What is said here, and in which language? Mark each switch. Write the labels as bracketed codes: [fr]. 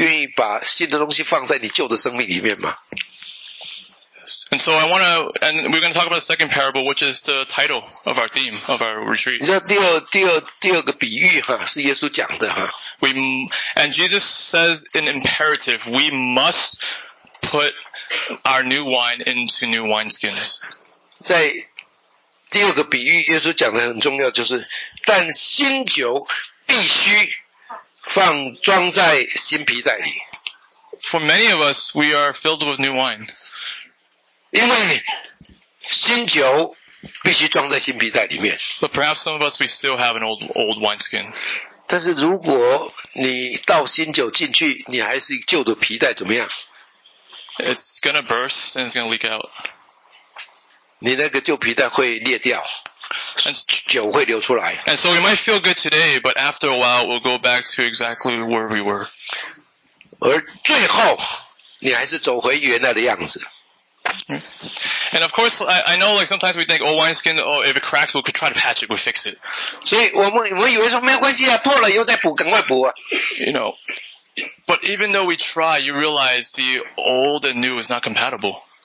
[zh] 弟兄姊妹,我现在要问你一件事情,就是,你的生命,如果不改变,你愿意把新的东西放在你旧的生命里面吗? [en] And so I want to, and we're going to talk about the second parable, which is the title of our theme, of our retreat. [zh] 你知道第二个比喻是耶稣讲的。 [en] And Jesus says in imperative, we must put our new wine into new wineskins. [zh] 在第二个比喻耶稣讲的很重要就是,但新酒必须放装在新皮袋里。 [en] For many of us, we are filled with new wine. [zh] 因为新酒必须装在新皮袋里面。 [en] But perhaps some of us, we still have an old wineskin. [zh] 但是如果你倒新酒进去,你还是旧的皮袋怎么样? [en] It's gonna burst and it's gonna leak out. [zh] 你那个旧皮袋会裂掉。 [en] And so we might feel good today, but after a while, we'll go back to exactly where we were. [zh] 而最后,你还是走回原来的样子。 [en] And of course, I know like sometimes we think, oh, wineskin, oh, if it cracks, we could try to patch it, we fix it. [zh] 所以我们以为说没有关系啊,破了又再补,赶快补啊。You [en] know, but even though we try, you realize the old and new is not compatible.